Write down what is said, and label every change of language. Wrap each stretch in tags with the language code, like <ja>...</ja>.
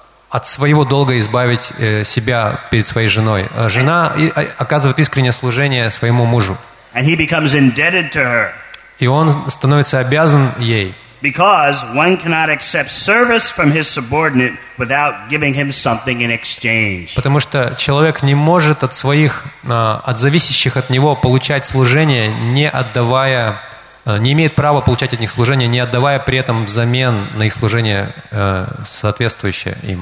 <ru>От своего долга избавить себя перед своей женой. Жена оказывает искреннее служение своему мужу.</ru> <en>And he becomes indebted to her.</en> <ru>И он становится обязан ей.</ru> <en>Because one cannot accept service from his subordinate without giving him something in exchange.</en> <ru>Потому что человек не может от своих, от зависящих от него получать служение, не отдавая, не имеет права получать от них служение, не отдавая при этом взамен на их служение соответствующее им.</ru>